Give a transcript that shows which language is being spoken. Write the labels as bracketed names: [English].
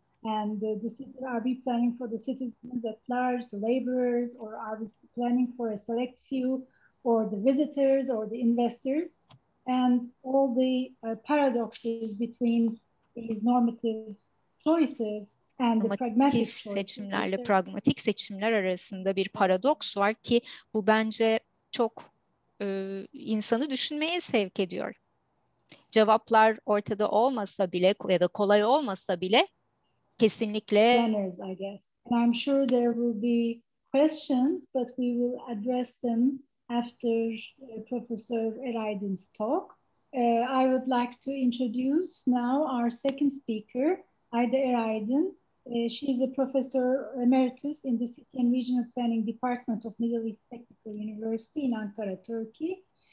[English] And the city, are we planning for the citizens at large, the laborers, or are we planning for a select few, or the visitors, or the investors? And all the paradoxes between these normative choices and the pragmatic [Turkish] seçimlerle pragmatik seçimler arasında bir paradoks var ki bu bence çok insanı düşünmeye sevk ediyor. Cevaplar ortada olmasa bile ya da kolay olmasa bile kesinlikle [English] planners, I guess. And I'm sure there will be questions, but we will address them after Professor Eraydin's talk. I would like to introduce now our second speaker, Ayda Eraydin. She is a professor emeritus in the City and Regional Planning Department of Middle East Technical University in Ankara, Turkey.